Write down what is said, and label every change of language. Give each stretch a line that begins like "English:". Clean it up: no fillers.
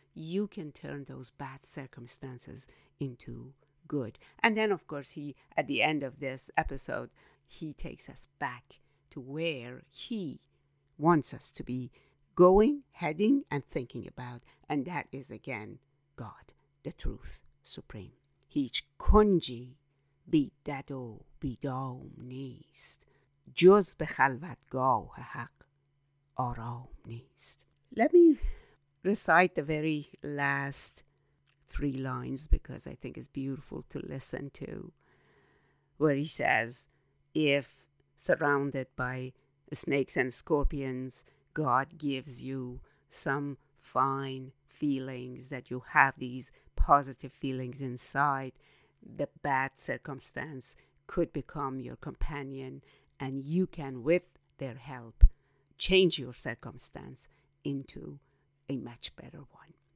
English: You can turn those bad circumstances into good. And then, of course, he, at the end of this episode, he takes us back to where he wants us to be going, heading, and thinking about. And that is, again, God, the truth supreme.
Persian: هیچ کنجی بی دد و بی دام نیست جز به خلوتگاه حق آرام نیست.
English: Let me recite the very last three lines because I think it's beautiful to listen to, where he says, if surrounded by snakes and scorpions, God gives you some fine feelings, that you have these positive feelings inside, the bad circumstance could become your companion, and you can, with their help, change your circumstance into a much better one.